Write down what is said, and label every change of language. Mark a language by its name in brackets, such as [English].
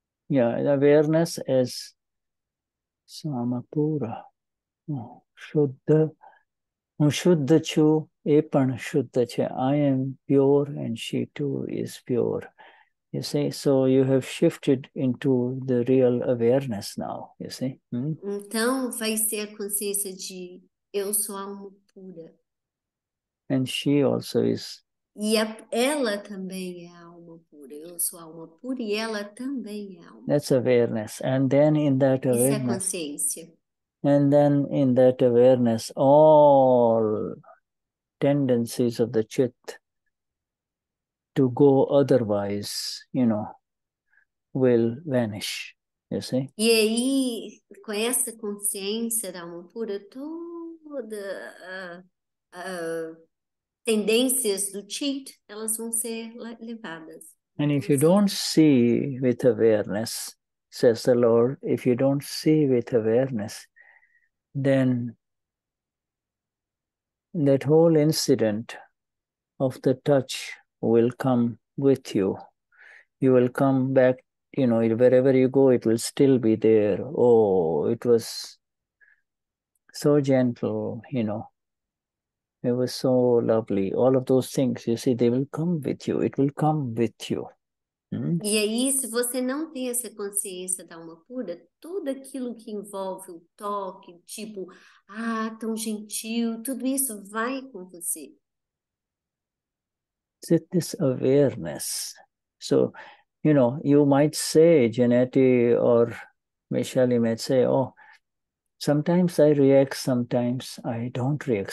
[English] Yeah, awareness is samapura. Shuddha. [Gujarati] Shuddha chu, epan shuddha chu. [English] I am pure and she too is pure. You see, so you have shifted into the real awareness now, you see. Hmm? [Portuguese] Então, vai ser a consciência de eu sou alma pura. [English] And she also is. [Portuguese] E ela também é alma pura. Eu sou alma pura e ela também é alma pura. [English] That's awareness. And then in that awareness. [Portuguese] Isso é consciência. [English] And then in that awareness, all tendencies of the chit to go otherwise, you know, will vanish, you see? [Portuguese] E aí, com essa consciência da alma pura, toda tendências do cheat, elas vão ser levadas. [English] And if you don't see with awareness, says the Lord, if you don't see with awareness, then that whole incident of the touch will come with you. You will come back, you know, wherever you go, it will still be there. Oh, it was so gentle, you know. It was so lovely. All of those things, you see, they will come with you. It will come with you. [Portuguese] Hmm? E aí, se você não tem essa consciência da alma pura, tudo aquilo que envolve o toque, tipo, ah, tão gentil, tudo isso vai com você. [English] sit this awareness. So, you know, you might say, Janetti or Michelle might say, oh, sometimes I react, sometimes I don't react.